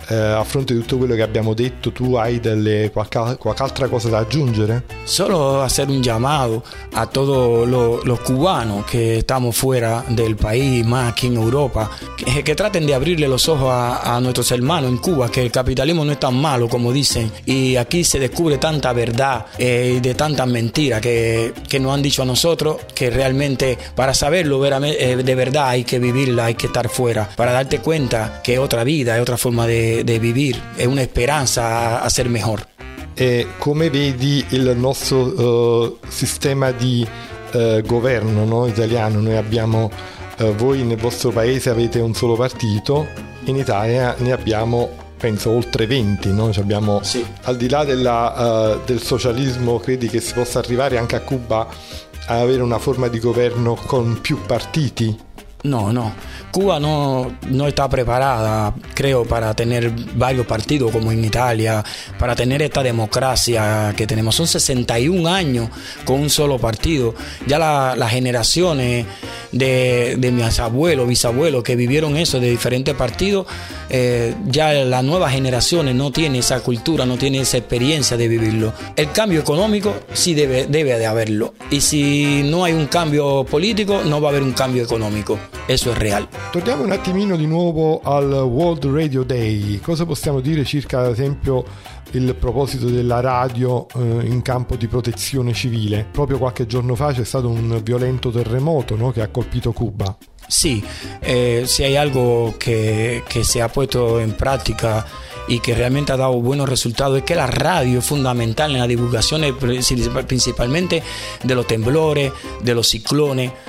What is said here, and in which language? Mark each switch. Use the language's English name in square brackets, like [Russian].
[Italian] A fronte di tutto quello che abbiamo detto, tu hai qualche altra cosa da aggiungere? [Spanish] Solo hacer un llamado a todos los cubanos que estamos fuera del país, más aquí en Europa, que traten de abrirle los ojos a nuestros hermanos en Cuba, que el capitalismo no es tan malo como dicen, y aquí se descubre tanta verdad de tantas mentiras que nos han dicho a nosotros, que realmente para saberlo de verdad hay que vivirla, hay que estar fuera, para darte cuenta que es otra vida, es otra forma de vivir, es una esperanza a ser mejor. [Italian] Come vedi il nostro sistema di governo, no, italiano? Noi abbiamo, voi nel vostro paese avete un solo partito, in Italia ne abbiamo penso oltre 20, no? Ci abbiamo, sì. Al di là del socialismo, credi che si possa arrivare anche a Cuba a avere una forma di governo con più partiti? [Spanish] No, Cuba no está preparada, creo, para tener varios partidos como en Italia, para tener esta democracia que tenemos. Son 61 años con un solo partido. Ya las generaciones de mis abuelos, bisabuelos que vivieron eso de diferentes partidos, ya las nuevas generaciones no tienen esa cultura, no tienen esa experiencia de vivirlo. El cambio económico sí debe de haberlo. Y si no hay un cambio político, no va a haber un cambio económico. Eso es real. [Italian] Torniamo un attimino di nuovo al World Radio Day. Cosa possiamo dire circa, ad esempio, il proposito della radio in campo di protezione civile? Proprio qualche giorno fa c'è stato un violento terremoto, no, che ha colpito Cuba. [Spanish] Sí, si hay algo que se ha puesto en práctica y que realmente ha dado buenos resultados, es que la radio es fundamental en la divulgación, principalmente de los temblores, de los ciclones.